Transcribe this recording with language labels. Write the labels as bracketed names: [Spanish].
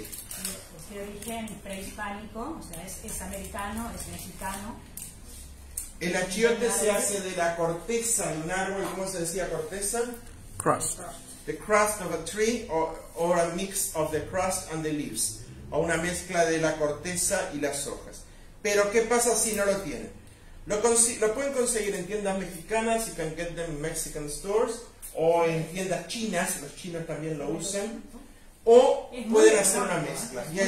[Spanish] Es de origen prehispánico, o sea, es americano, es mexicano. El achiote se hace de la corteza de un árbol. ¿Cómo se decía corteza? [English] Crust. The crust of a tree or a mix of the crust and the leaves. [Spanish] O una mezcla de la corteza y las hojas. Pero, ¿qué pasa si no lo tienen? Lo pueden conseguir en tiendas mexicanas. [English] You can get them in Mexican stores. [Spanish] O en tiendas chinas. Los chinos también lo usan. O pueden hacer una mezcla. Yeah,